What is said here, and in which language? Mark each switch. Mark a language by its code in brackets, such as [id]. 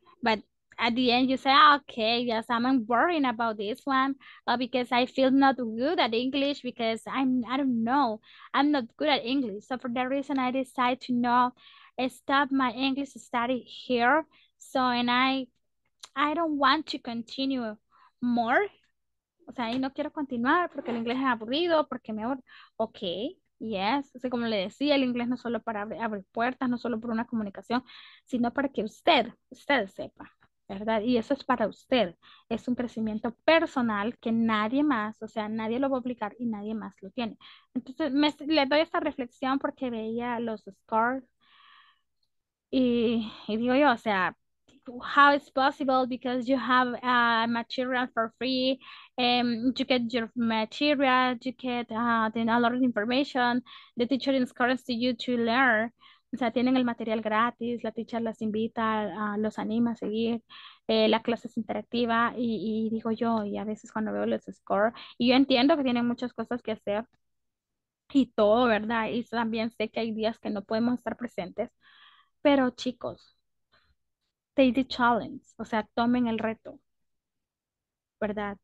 [en] But at the end, you say, okay, yes, I'm worrying about this one because I feel not good at English because I don't know. I'm not good at English. So for that reason, I decide to not stop my English study here. So, and I don't want to continue more. [es] O sea, y no quiero continuar porque el inglés es aburrido, porque me aburro. Okay, yes. O sea, como le decía, el inglés no es solo para abrir puertas, no solo por una comunicación, sino para que usted sepa, ¿verdad? Y eso es para usted. Es un crecimiento personal que nadie más, o sea, nadie lo va a obligar y nadie más lo tiene. Entonces, le doy esta reflexión porque veía los scores y digo yo, o sea, [en] how it's possible because you have material for free, you get your material, you get a lot of information. The teacher encourages you to learn. [es] O sea, tienen el material gratis, la teacher las invita, los anima a seguir, la clase es interactiva y digo yo, y a veces cuando veo los scores, y yo entiendo que tienen muchas cosas que hacer y todo, ¿verdad? Y también sé que hay días que no podemos estar presentes, pero chicos, [en] take the challenge, [es] o sea, tomen el reto, ¿verdad?